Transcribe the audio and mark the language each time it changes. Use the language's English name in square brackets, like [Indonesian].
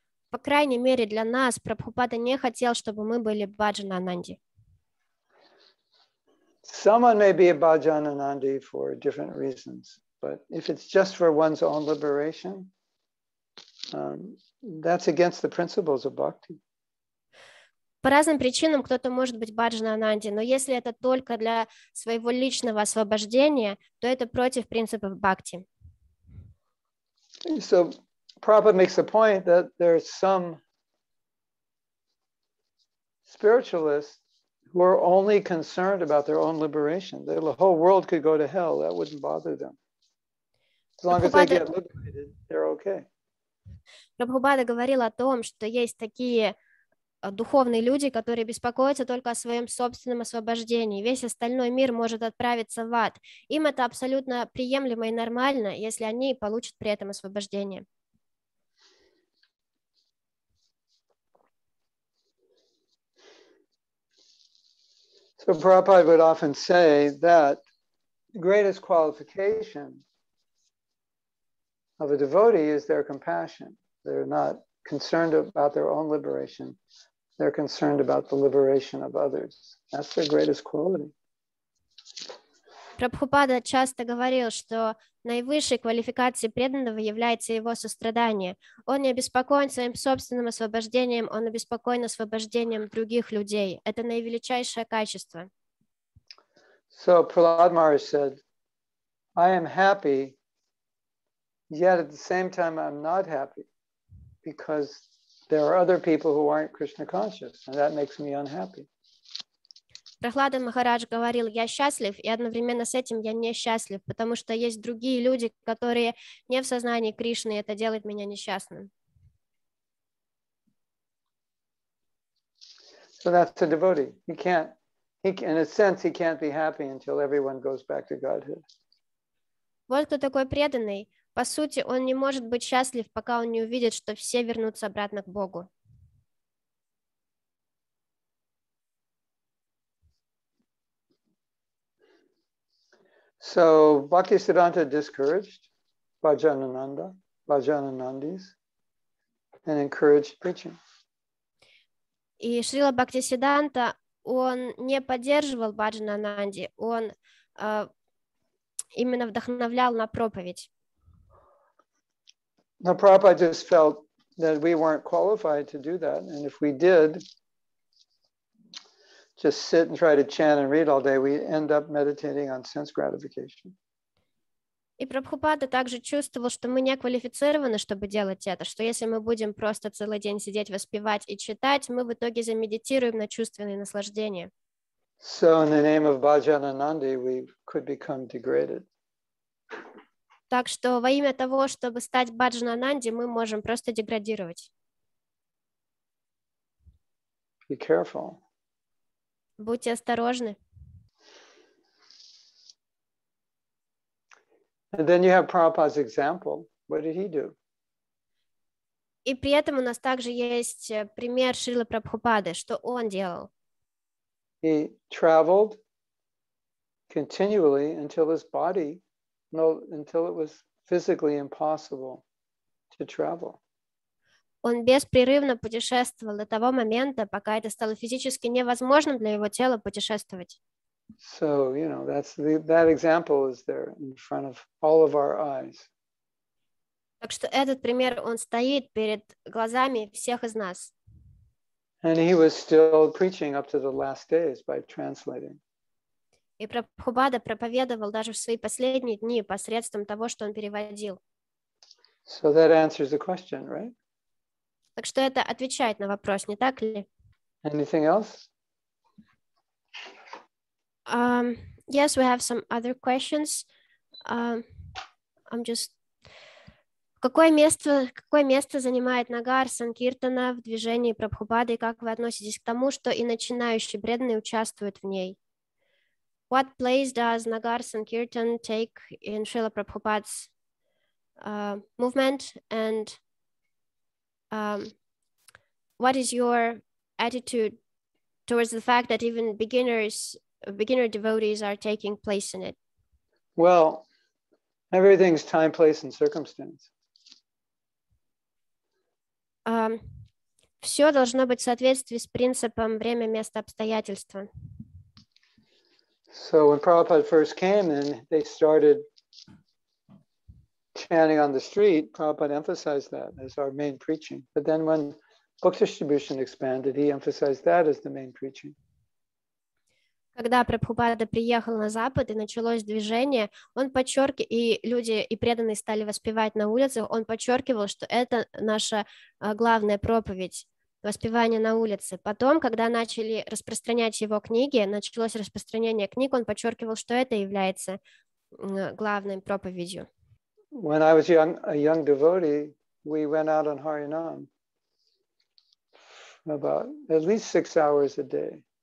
[Russian] По крайней мере, для нас Прабхупада не хотел, чтобы мы были bhajana nandi. [English] Someone may be a bhajana nandi for different reasons, but if it's just for one's own liberation, that's against the principles of bhakti. [Russian] По разным причинам кто-то может быть баджана-ананди, но если это только для своего личного освобождения, то это против принципов бхакти. [English] So, Prabhupada makes the point that there are some spiritualists who are only concerned about their own liberation. The whole world could go to hell, that wouldn't bother them. As long as they get liberated, they're okay. [Russian] Прабхупада говорил о том, что есть такие духовные люди, которые беспокоятся только о своем собственном освобождении. Весь остальной мир может отправиться в ад. Им это абсолютно приемлемо и нормально, если они получат при этом освобождение. [English] So Prabhupada would often say that the greatest qualification of a devotee is their compassion. They're not concerned about their own liberation. They're concerned about the liberation of others. That's their greatest quality. [Russian] Прабхупада часто говорил, что наивысшей квалификацией преданного является его сострадание. Он не обеспокоен своим собственным освобождением, он обеспокоен освобождением других людей. Это наивеличайшее качество. [English] So Prahlad Maharaj said, I am happy, yet at the same time I'm not happy, because there are other people who aren't Krishna conscious, and that makes me unhappy. [Russian] Прахлада Махарадж говорил, я счастлив, и одновременно с этим я несчастлив, потому что есть другие люди, которые не в сознании Кришны, и это делает меня несчастным. [English] So that's a devotee. He can't be happy until everyone goes back to Godhead. [Russian] Вот кто такой преданный. По сути, он не может быть счастлив, пока он не увидит, что все вернутся обратно к Богу. [English] So Bhaktisiddhanta discouraged Bhajanananda, Bhajananandis, and encouraged preaching. [Russian] И Шрила Бхактисиддханта, он не поддерживал Бхаджанананди, он именно вдохновлял на проповедь. [English] No, Prabhupada just felt that we weren't qualified to do that. And if we did just sit and try to chant and read all day, we end up meditating on sense gratification. [Russian] И Прабхупада также чувствовал, что мы не квалифицированы, чтобы делать это, что если мы будем просто целый день сидеть, воспевать и читать, мы в итоге замедитируем на чувственные наслаждения. [English] So in the name of Bhajananandi, we could become degraded. [Russian] Так что во имя того, чтобы стать баджана-нанди, мы можем просто деградировать. [English] Be careful. [Russian] Будьте осторожны. [English] And then you have Prabhupada's example. What did he do? [Russian] И при этом у нас также есть пример Шрилы Прабхупады, что он делал. [English] He traveled continually until his body until it was physically impossible to travel. [Russian] Он беспрерывно путешествовал до того момента, пока это стало физически невозможным для его тела путешествовать. [English] So, you know, that's the, that example is there in front of all of our eyes. [Russian] Так что этот пример, он стоит перед глазами всех из нас. [English] And he was still preaching up to the last days by translating. [Russian] И Прабхупада проповедовал даже в свои последние дни посредством того, что он переводил. [English] So that answers the question, right? [Russian] Так что это отвечает на вопрос, не так ли? [English] Anything else? Yes, we have some other questions. [Russian] Какое место занимает Нагар Санкиртана в движении Прабхупады, и как вы относитесь к тому, что и начинающие преданные участвуют в ней? [English] What place does Nagar Sankirtan take in Srila Prabhupada's movement? And what is your attitude towards the fact that even beginner devotees are taking place in it? Well, everything's time, place, and circumstance. [Russian] Все должно быть в соответствии с принципом время, место, обстоятельства. [English] So when Prabhupada first came and they started chanting on the street, Prabhupada emphasized that as our main preaching. But then when book distribution expanded, he emphasized that as the main preaching. [Russian] Когда Прабхупада приехал на Запад и началось движение, он подчеркивал, и люди, и преданные стали воспевать на улицах, он подчеркивал, что это наша главная проповедь. Воспевание на улице. Потом, когда начали распространять его книги, началось распространение книг, он подчеркивал, что это является главной проповедью. [English] When I was young, a young devotee, we went out on Harinam about at least 6 hours a day.